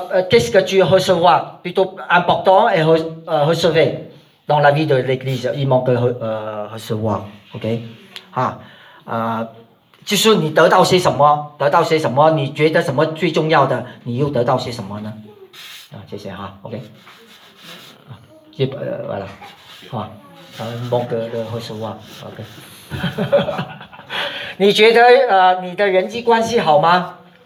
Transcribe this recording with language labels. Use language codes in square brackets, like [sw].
[fr] Qu'est-ce que tu recevras plutôt important et recevoir dans la vie de l'église? Il manque recevoir, ok? [zh] Ah, 就是你得到些什么？得到些什么？你觉得什么最重要的？你又得到些什么呢？谢谢哈 ，OK. 就完了，好、 [fr] manque recevoir, [zh] ok. 你觉得、你的人际关系好吗